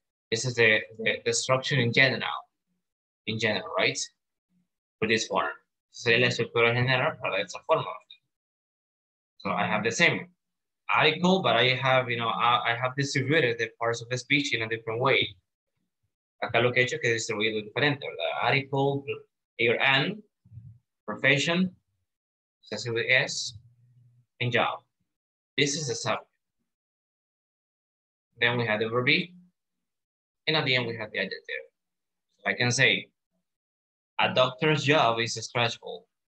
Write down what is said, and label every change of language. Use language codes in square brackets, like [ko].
[en] This is the structure in general, right? For this form. [es] Sería la estructura general para esa forma. [en] So I have the same article, but I have, you know, I have distributed the parts of the speech in a different way. [es] Acá lo que he hecho es que distribuido diferente, ¿verdad? [en] Article, A or N, profession, accessible S, and job. This is the subject. Then we have the verb be, and at the end we have the adjective. So I can say, a doctor's job is stressful.